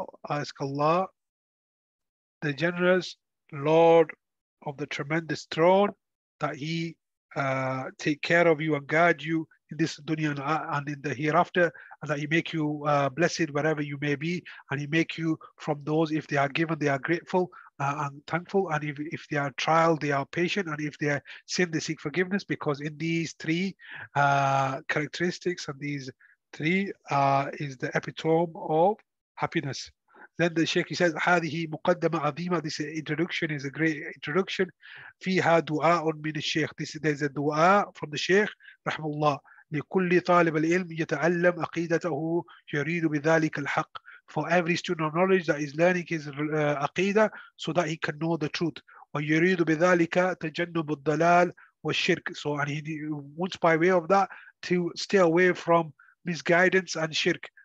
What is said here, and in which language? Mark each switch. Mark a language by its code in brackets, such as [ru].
[en] Ask Allah the generous Lord of the tremendous throne, that he take care of you and guide you in this dunya and in the hereafter, and that he make you blessed wherever you may be, and he make you from those, if they are given, they are grateful and thankful, and if they are trialed, they are patient, and if they are sinned, they seek forgiveness. Because in these three characteristics, and these three is the epitome of happiness. Then the Shaykh, he says, [ar] "Hadihi muqaddama azima." [en] This introduction is a great introduction. [ar] Fiha du'a min al-Shaykh. [en] This is a du'a from the Shaykh, rahmullah. [ar] لكل طالب العلم يتعلم أقيدته يريد بذلك الحق. [en] For every student of knowledge that is learning his aqidah, so that he can know the truth. [ar] وَيُرِيدُ بِذَلِكَ تَجَنُّبُ الضَّلَالِ وَالشِّرْكِ. [en] So, and he wants by way of that to stay away from misguidance and shirk.